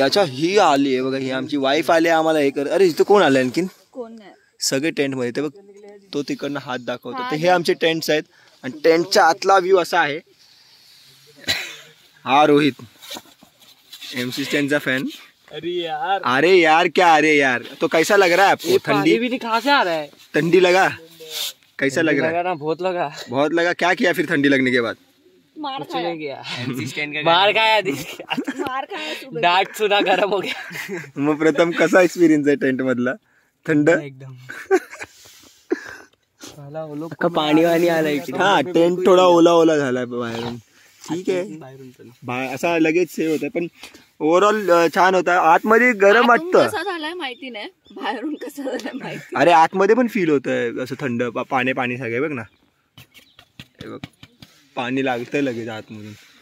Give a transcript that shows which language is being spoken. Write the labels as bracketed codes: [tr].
[mr] अच्छा ही आली आहे बघा, ही आमची वाईफ आली आहे आम्हाला हे कर। अरे इथं कोण आलं आणखीन? सगळे टेंट मध्ये, ते बघ तो तिकडनं हात दाखवतो। तर हे आमचे टेंट्स आहेत, आणि टेंटच्या आतला व्ह्यू असा आहे। हा रोहित एमसी स्टँडचा फॅन। [hi] अरे यार, अरे यार क्या, अरे यार तो कैसा लग रहा है आपको? ठंडी भी नहीं, कहां से आ रहा है? ठंडी लगा कैसा लग रहा है? लगा ना, बहुत लगा, बहुत लगा। क्या किया फिर ठंडी लगने के बाद? मार खाया दीदी, डांट सुना, गरम हो गया। [mr] मग प्रथम कसा एक्सपीरियंस है टेंट मधला? थंड एकदम, पाणी वाणी आलंय। हा टेंट थोडा ओला ओला झालाय बाहेरून, ठीक आहे बाहेरून असा लगेच सेव होत, पण ओव्हरऑल छान होता। आतमध्ये गरम वाटत, कसा झालाय माहिती नाही, बाहेरून कसा झालाय माहिती। अरे आतमध्ये पण फील होत आहे असं थंड, पाणी पाणी सगळे बघ ना, पाणी लागतंय लगेच आतमधून।